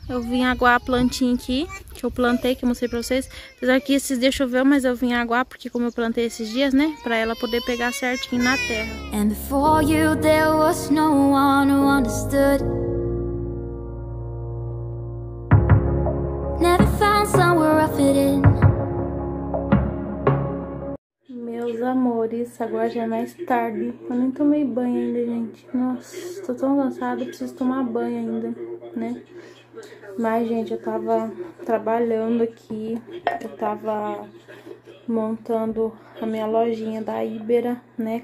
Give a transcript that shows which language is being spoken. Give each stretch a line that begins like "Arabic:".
Portuguese: Eu vim aguar a plantinha aqui, que eu plantei, que eu mostrei pra vocês. Apesar que esses dias choveu, mas eu vim aguar, porque como eu plantei esses dias, né? Pra ela poder pegar certinho na terra.
English: And for you, there was no one who understood. Never found somewhere I fit in.
Portuguese: Meus amores, agora já é mais tarde. Eu nem tomei banho ainda, gente. Nossa, tô tão cansada, preciso tomar banho ainda, né? Mas, gente, eu tava trabalhando aqui. Eu tava montando a minha lojinha da Ibera, né?